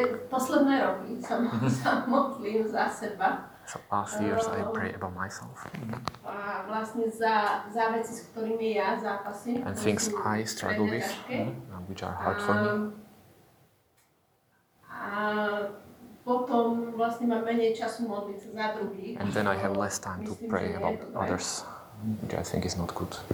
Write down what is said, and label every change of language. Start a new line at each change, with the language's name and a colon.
Slovak: Posledné roky sa modlím za seba.
English: So past years I pray about myself.
Slovak: A vlastne za veci, s ktorými ja zápasím.
English: And things I struggle with, which are hard for me.
Slovak: A potom vlastne mám menej času modliť sa za druhých.
English: And then I have less time to pray about others, which I think is not good.